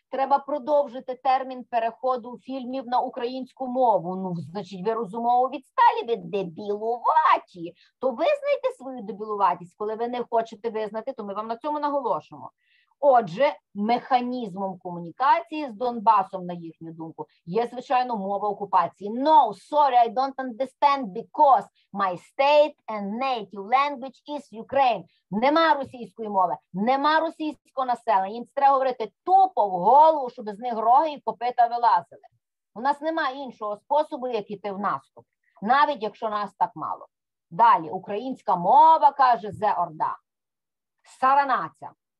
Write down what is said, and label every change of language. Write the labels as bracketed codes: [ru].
[uk] Треба продовжити термін переходу фільмів на українську мову. Ну, значить, ви розумово відсталі, ви дебілуваті. То визнайте свою дебілуватість. Коли ви не хочете визнати, то ми вам на цьому наголошуємо. Отже, механізмом комунікації з Донбасом, на їхню думку, є, звичайно, мова окупації. [en] No, sorry, I don't understand, because my state and native language is Ukraine. [uk] Нема російської мови, нема російського населення. Їм треба говорити тупо в голову, щоб з них роги і копита вилазили. У нас немає іншого способу, як іти в наступ, навіть якщо нас так мало. Далі, українська мова, каже Зе Орда. Саранація.